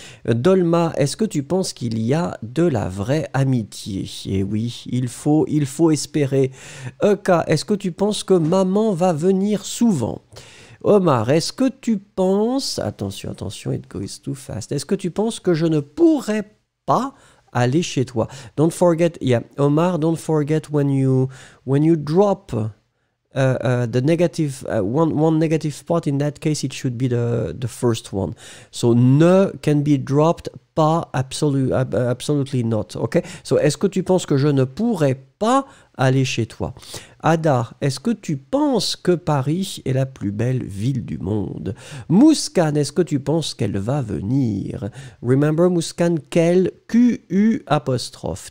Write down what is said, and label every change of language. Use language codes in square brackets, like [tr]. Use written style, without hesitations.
[fr] Dolma, est-ce que tu penses qu'il y a de la vraie amitié? Eh oui, il faut espérer. Eka, est-ce que tu penses que maman va venir souvent? Omar, est-ce que tu penses... Attention, [en] it goes too fast. [fr] Est-ce que tu penses que je ne pourrais pas... pas aller chez toi. [en] Don't forget, yeah, Omar, don't forget when you drop the negative, one negative part, in that case, it should be the first one. So, ne can be dropped, pas, absolutely not, okay? [fr] So, est-ce que tu penses que je ne pourrais pas aller chez toi? Ada, est-ce que tu penses que Paris est la plus belle ville du monde? Mouskan, est-ce que tu penses qu'elle va venir? [en] Remember, Mouskan, quel Q-U apostrophe.